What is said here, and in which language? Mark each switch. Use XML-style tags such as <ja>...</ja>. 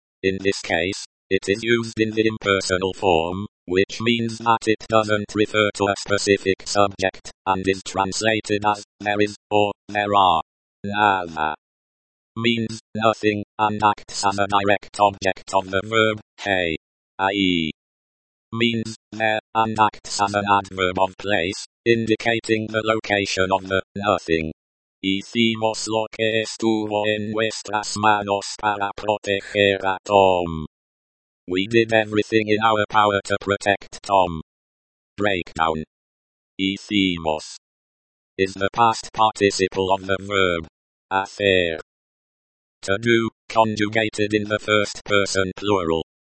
<en>In this case, it is used in the impersonal form, which means that it doesn't refer to a specific subject, and is translated as there is or there are. Nada means nothing, and acts as a direct object of the verb hey, i.e. means there, and acts as an adverb of place, indicating the location of the nothing.</en> <es>Hicimos lo que estuvo en nuestras manos para proteger a Tom.</es> <en>We did everything in our power to protect Tom. Breakdown. Hicimos is the past participle of the verb hacer. To do, conjugated in the first person plural.</en>